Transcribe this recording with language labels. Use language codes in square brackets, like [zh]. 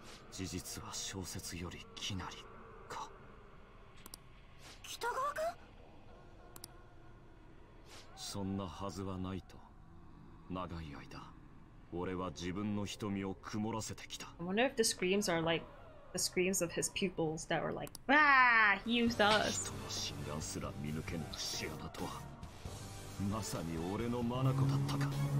[ja] 事実は小説よりきなりか。北川君？そんなはずはないと。長い間、俺は自分の瞳を曇らせてきた。 [en] I wonder if the screams are like the screams of his pupils that were like, ah, he used us. [ja] 人の心眼すら見抜けぬ節穴とは。まさに俺のマナコだったか。